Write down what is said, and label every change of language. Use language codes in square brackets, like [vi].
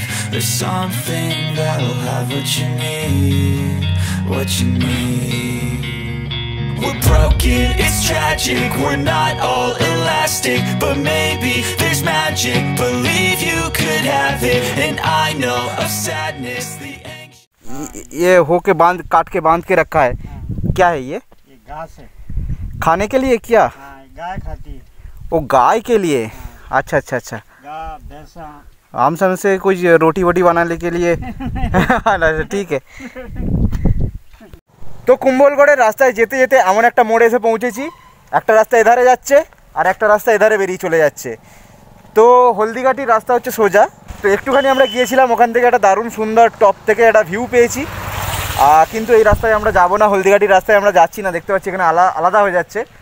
[en] There's something that'll have what you need, what you need. We're broken, it's tragic, we're not all elastic, but maybe there's magic, believe you could have it, and I know of sadness, the anxious... [hi] ये हो के बांध, काट के बांध के रखा है, क्या है ये? ये घास है। खाने के लिए क्या? हाँ, गाय खाती है। वो गाय के लिए? अच्छा अच्छा अच्छा। गाय, भैंसा, आम समय से कुछ रोटी वोटी बनाने के लिए ठीक है। [bn] तो কুম্ভলগড়ের রাস্তায় যেতে যেতে এমন একটা মোড়ে এসে পৌঁছেছি, একটা রাস্তা এধারে যাচ্ছে আর একটা রাস্তা এধারে বেরিয়ে চলে যাচ্ছে। তো হলদিঘাটির রাস্তা হচ্ছে সোজা, তো একটুখানি আমরা গিয়েছিলাম, ওখান থেকে একটা দারুণ সুন্দর টপ থেকে একটা ভিউ পেয়েছি। কিন্তু এই রাস্তায় আমরা যাবো না, হলদিঘাটির রাস্তায় আমরা যাচ্ছি না, দেখতে পাচ্ছি এখানে আলাদা হয়ে যাচ্ছে।